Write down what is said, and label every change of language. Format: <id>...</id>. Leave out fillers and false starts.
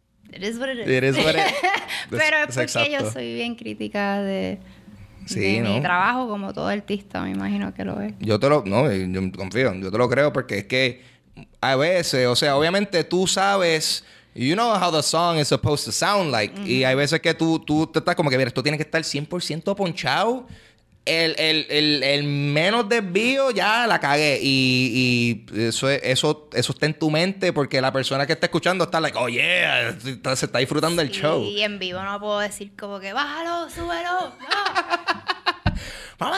<en>It is what it is. It is what it is.</en> <es>Pero es porque exacto. Yo soy bien crítica de mi trabajo, como todo artista, me imagino que lo es. Yo te lo... No, yo confío. Yo te lo creo porque es que a veces, o sea, obviamente tú sabes...</es> <en>You know how the song is supposed to sound like.</en> <es>Mm-hmm. Y hay veces que tú te estás como que, mira, esto tiene que estar 100% ponchado. El menos desvío, ya la cagué. Y eso está en tu mente porque la persona que está escuchando está like, oh yeah, se está disfrutando el show. Y en vivo no puedo decir como que, bájalo, súbelo, no.</es>